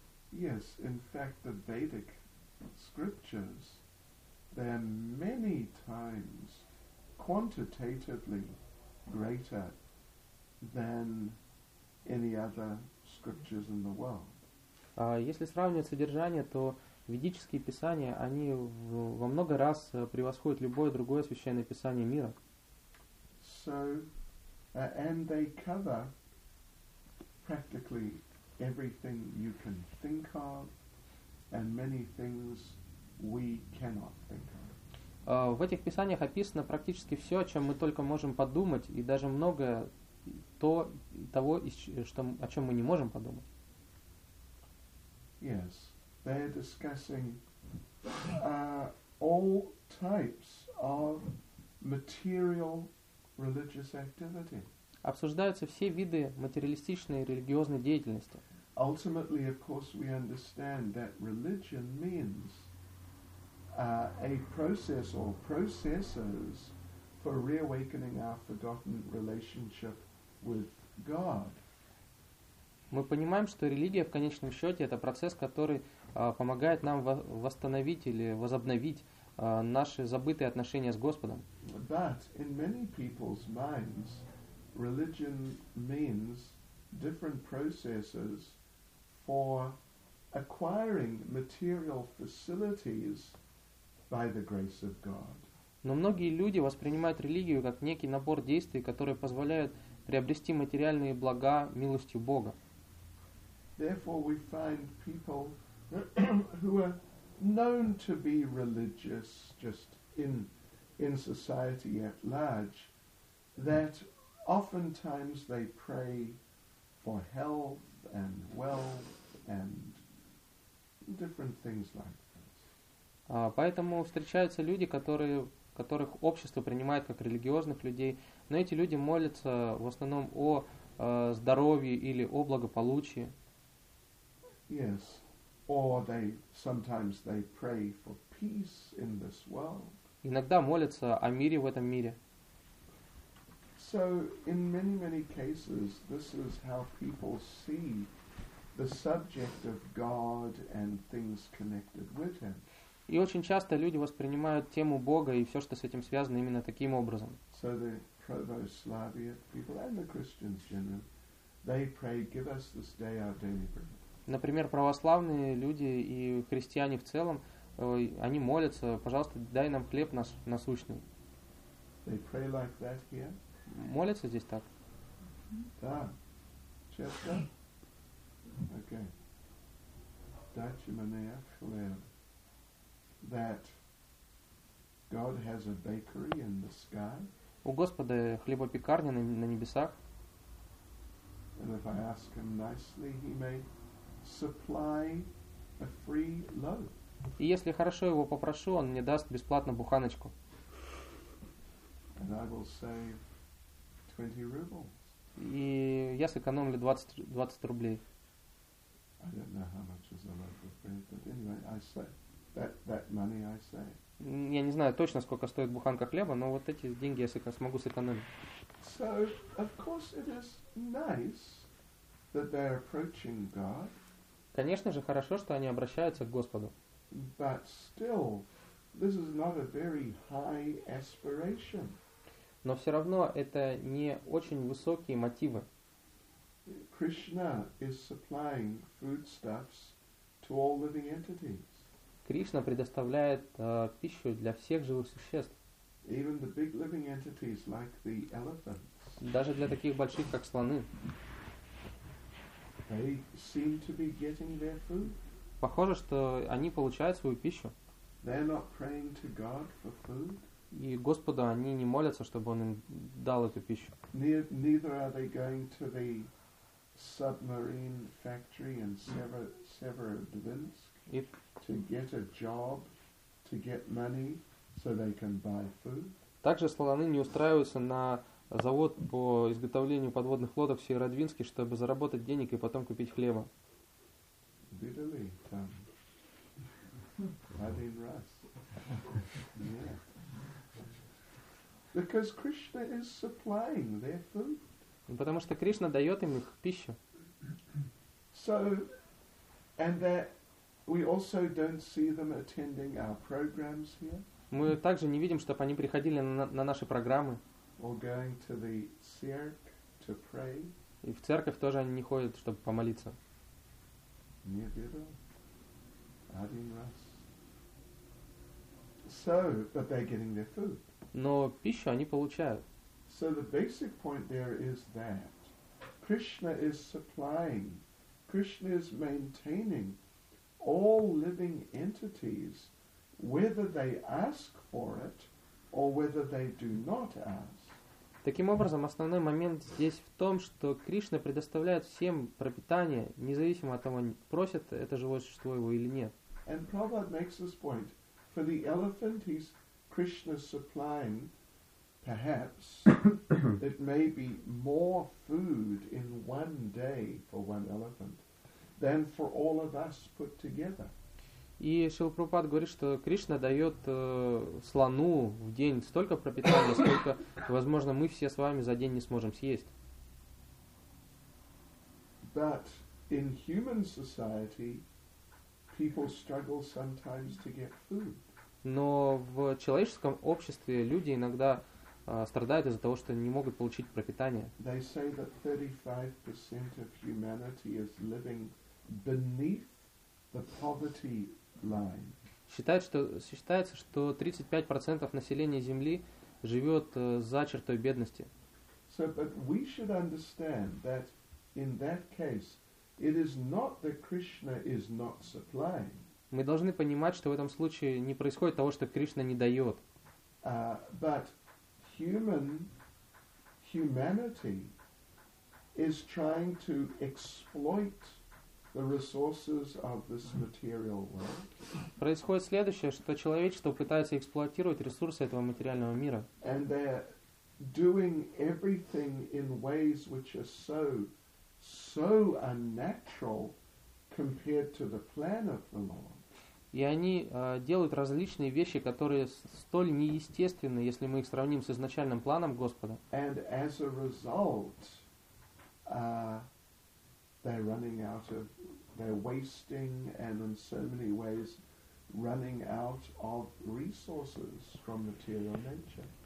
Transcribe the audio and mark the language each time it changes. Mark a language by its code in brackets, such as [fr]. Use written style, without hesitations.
[en] Yes, in fact, the Vedic scriptures they are many times quantitatively greater than any other scriptures in the world. [ru] Если сравнивать содержание, то ведические писания, они во много раз превосходят любое другое священное писание мира. [en] So, and they cover practically everything you can think of and many things we cannot think of. [ru] В этих писаниях описано практически все, о чем мы только можем подумать, и даже многое того, о чем мы не можем подумать. [en] Yes, they are discussing all types of material religious activity. [ru] Обсуждаются все виды материалистичной религиозной деятельности. [en] Ultimately, of course, we understand that religion means a process or processes for reawakening our forgotten relationship with God. [ru] Мы понимаем, что религия в конечном счете это процесс, который помогает нам восстановить или возобновить наши забытые отношения с Господом. [en] But in many people's minds, religion means different processes for acquiring material facilities by the grace of God. [ru] Но многие люди воспринимают религию как некий набор действий, которые позволяют приобрести материальные блага милостью Бога. [en] Therefore we find people who are known to be religious just in society at large that oftentimes they pray for health and wealth and different things like this. [ru] Поэтому встречаются люди, которых общество принимает как религиозных людей, но эти люди молятся в основном о здоровье или о благополучии. [en] Yes. Or sometimes they pray for peace in this world. [ru] Иногда молятся о мире в этом мире. [en] So in many cases this is how people see the subject of God and things connected with him. [ru] И очень часто люди воспринимают тему Бога и все, что с этим связано, именно таким образом. [en] So the Proto-Slavic people and the Christians generally, they pray, give us this day our daily bread. [ru] Например, православные люди и христиане в целом, они молятся, пожалуйста, дай нам хлеб наш насущный. [en] They pray like that here? [ru] Молятся здесь так? Да. Честно? [en] Okay. [ru] Дайте мне хлеб. [en] That God has a bakery in the sky. [ru] У Господа хлебопекарня на небесах. [en] And if I ask him nicely, he may supply a free loaf. [ru] И если хорошо его попрошу, он мне даст бесплатно буханочку. [en] And I will save 20 rubles. [ru] И я сэкономлю 20 рублей. [en] I don't know how much is a loaf of bread, but anyway, I say that money I say. [ru] Я не знаю точно, сколько стоит буханка хлеба, но вот эти деньги я смогу сэкономить. [en] So, of course, it is nice that they are approaching God. [ru] Конечно же, хорошо, что они обращаются к Господу. [en] But still, this is not a very high aspiration. [ru] Но все равно это не очень высокие мотивы. [en] Krishna is supplying foodstuffs to all living entities. [ru] Кришна предоставляет пищу для всех живых существ. [en] Even the big living entities, like the elephants, [ru] даже для таких больших, как слоны. [en] They seem to be getting their food. [ru] Похоже, что они получают свою пищу. [en] They're not praying to God for food. [ru] И Господу они не молятся, чтобы Он им дал эту пищу. [en] Neither are they going to the submarine factory in Severodvinsk. To get a job, to get money, so they can buy food. [ru] Также слоны не устраиваются на завод по изготовлению подводных лодок в Северодвинске, чтобы заработать денег и потом купить хлеба. [en] Bitterly, [ru] Один раз. [en] Yeah. Because Krishna is supplying their food. [ru] Потому что Кришна дает им их пищу. [en] So, and that. We also don't see them attending our programs here. [ru] Мы также не видим, чтобы они приходили на наши программы. [en] Or going to the cirque to pray. [ru] И в церковь тоже они не ходят, чтобы помолиться. Не видел. Один раз. [en] So, but they're getting their food. [ru] Но пищу они получают. [en] So the basic point there is that Krishna is supplying. Krishna is maintaining all living entities, whether they ask for it or whether they do not ask. [ru] Таким образом, основной момент здесь в том, что Кришна предоставляет всем пропитание, независимо от того, просят это живое существо его или нет. [en] And Prabhupada makes this point. For the elephant, he's Krishna supplying, perhaps, it may be more food in one day for one elephant than for all of us put together. [ru] И Шрила Прабхупада говорит, что Кришна дает слону в день столько пропитания, сколько, возможно, мы все с вами за день не сможем съесть. [en] But in human society, people struggle sometimes to get food. [ru] Но в человеческом обществе люди иногда страдают из-за того, что не могут получить пропитание. [en] They say that 35% of humanity is living beneath the poverty line. [ru] Считается, что 35% населения Земли живет за чертой бедности. [en] So, but we should understand that in that case it is not that Krishna is not supplying. [ru] Мы должны понимать, что в этом случае не происходит того, что Кришна не дает. [en] But humanity is trying to exploit the resources of this material world. [ru] Происходит следующее, что человечество пытается эксплуатировать ресурсы этого материального мира. [en] And they're doing everything in ways which are so unnatural compared to the plan of the Lord. [ru] И они делают различные вещи, которые столь неестественны, если мы их сравним с изначальным планом Господа. [en] And as a result, they're running out of they're wasting and in so many ways running out of resources from material nature.